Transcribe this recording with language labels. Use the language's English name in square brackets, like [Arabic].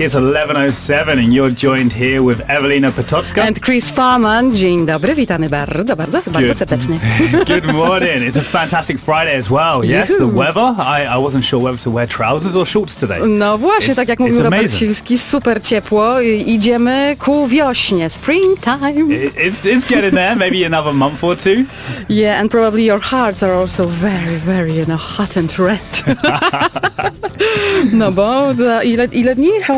[English] It's 11:07 and you're joined here with Evelina Potocka. And Chris Farman. [Polish] Dzień dobry, witamy bardzo, bardzo, bardzo serdecznie. [English] Good morning. It's a fantastic Friday as well. Yes, the weather. I wasn't sure whether to wear trousers or shorts today. [Polish] No właśnie, tak jak mówił Robert Silski, super ciepło. Idziemy ku wiośnie, springtime. [English] It's getting there, maybe another month or two. Yeah, and probably your hearts are also very, very, you know, hot and red. [Polish] No bo ile dni?